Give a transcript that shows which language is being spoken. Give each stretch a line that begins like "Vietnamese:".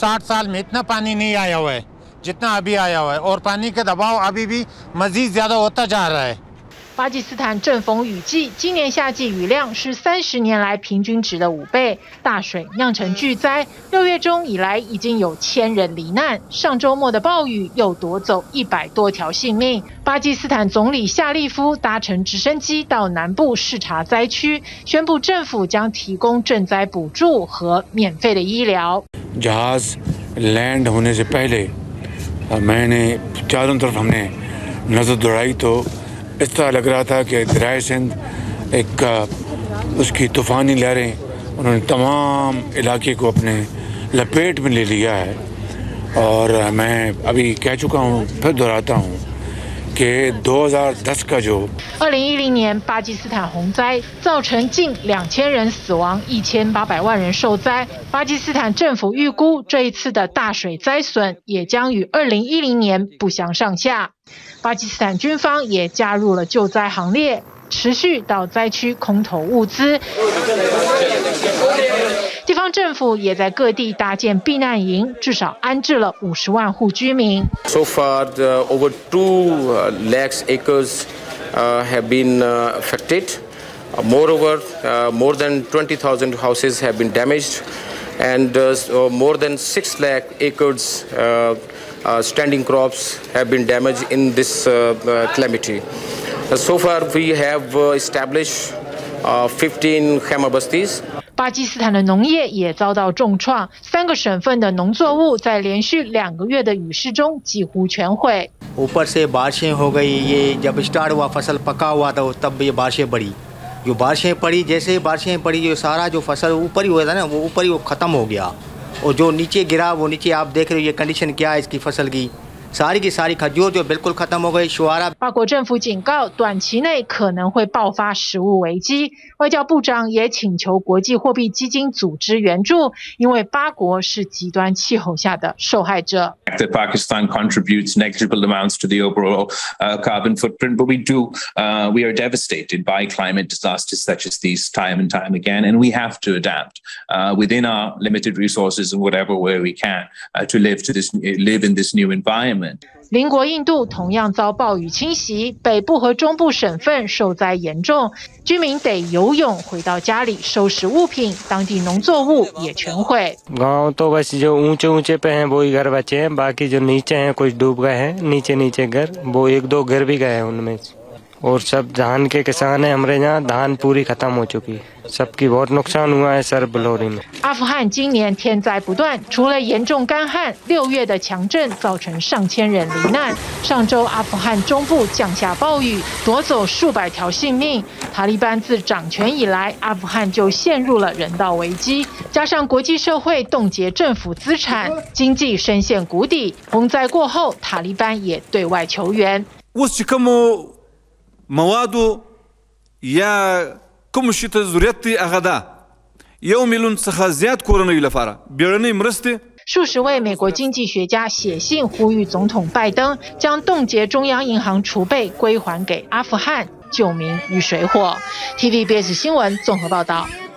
Hindi: जितना अभी आया हुआ है और पानी का दबाव अभी भी मजीद ज्यादा होता जा रहा है。
Chinese: 巴基斯坦正逢雨季，今年夏季雨量是30年来平均值的5倍，大水酿成巨灾。六月中以来已经有1000人罹难，上周末的暴雨又夺走100多条性命。巴基斯坦总理夏利夫搭乘直升机到南部视察灾区，宣布政府将提供赈灾补助和免费的医疗。
Hindi: जहाज लैंड होने से पहले मैंने चारों तरफ हमने नजर दौड़ाई तो इस तरह लग रहा था कि दरिया सिंध एक उसकी तूफानी लहरें उन्होंने तमाम इलाके को अपने लपेट में ले लिया है और मैं अभी कह चुका हूँ फिर दोहराता हूँ कि 2010का जो
Chinese: 2010年巴基斯坦洪灾造成近2000人死亡1800万人受灾，巴基斯坦政府预估这一次的大水灾损也将与2010年不相上下。巴基斯坦军方也加入了救灾行列，持续到灾区空投物资。地方政府也在各地搭建避难营，至少安置了50万户居民。
English: So far, over 2 lakh acres have been affected. Moreover, more than 20,000 houses have been damaged, and more than 6 lakh acres. Standing crops have been damaged in this calamity. So far, we have established 15 khemabastis.
Chinese: 巴基斯坦的农业也遭到重创，3个省份的农作物在连续2个月的雨势中几乎全毁。
Hindi: ऊपर से बारिशें हो गई, ये जब start हुआ फसल पका हुआ था तब ये बारिशें पड़ी. जो बारिशें पड़ी, जैसे ही बारिशें पड़ी, ये सारा जो फसल ऊपर ही हुआ था ना, वो ऊपर ही वो खत्म हो गया. और जो नीचे गिरा वो नीचे आप देख रहे हो ये कंडीशन क्या है इसकी फसल की सारी की सारी खजूर जो बिल्कुल खत्म हो गई शुआरा
Chinese: 巴国政府警告短期内可能会爆发食物危机外交部长也请求国际货币基金组织援助因为巴国是极端气候下的受害者
English: that Pakistan contributes negligible amounts to the overall carbon footprint but we are devastated by climate disasters such as these time and time again and we have to adapt within our limited resources and whatever way we can to live in this new environment
Chinese: 邻国印度同样遭暴雨侵袭，北部和中部省份受灾严重，居民得游泳回到家里收拾物品，当地农作物也全毁。
Hindi: गांव तो बस जो ऊंचे ऊंचे पे हैं वो ही घर बचे हैं, बाकी जो नीचे हैं कुछ डूब गए हैं, नीचे नीचे घर, वो एक दो घर भी गए हैं उनमें, और सब धान के किसान हैं हमारे यहाँ धान पूरी खत्म हो चुकी है. सबकी बहुत नुकसान हुआ है सर बलोरी में
Chinese: 阿富汗今年天灾不断除了严重干旱六月的强震造成上千人罹难上周阿富汗中部降下暴雨夺走数百条性命塔利班自掌权以来阿富汗就陷入了人道危机加上国际社会冻结政府资产经济深陷谷底洪灾过后塔利班也对外求援我是可能某阿都也كمشيت زريتي أغدا يوم يلون سخازيات كورونا يلفارا بيرني مرستي 数十位美国经济学家写信呼吁总统拜登将冻结中央银行储备归还给阿富汗救民于水火 TVBS 新闻综合报道